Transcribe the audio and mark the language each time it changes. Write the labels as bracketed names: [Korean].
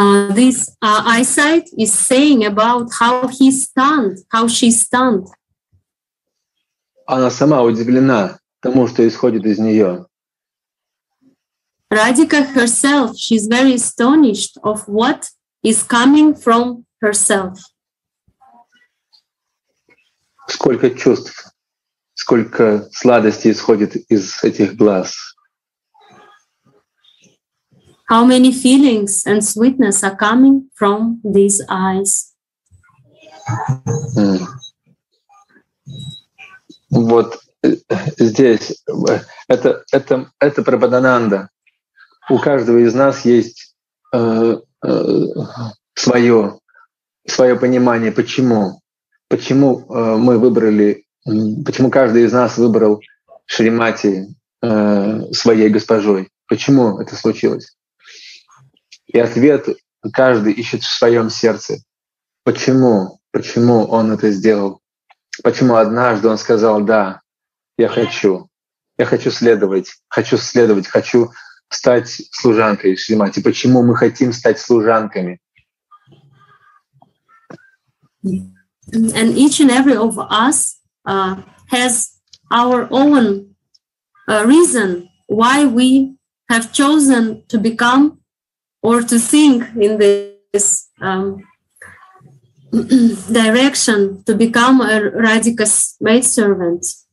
[English] This eyesight is saying about how he stunned, how she stunned. [Russian] Она сама удивлена тому, что исходит из нее. [English] Radhika herself, she's very astonished of what is coming from herself. [Russian] Сколько чувств, сколько сладости исходит из этих глаз. [English] How many feelings and sweetness are coming from these eyes? Mm. [Russian] Вот здесь это Прабхадананда. У каждого из нас есть свое понимание, почему каждый из нас выбрал Шримати своей госпожой. Почему это случилось? И ответ каждый ищет в своем сердце. Почему он это сделал? Почему однажды он сказал: «Да, я хочу следовать, хочу стать служанкой Шримати». Почему мы хотим стать служанками? [English] And each and every of us has our own reason why we have chosen to become or to think in this direction to become a Radhika's maid servant.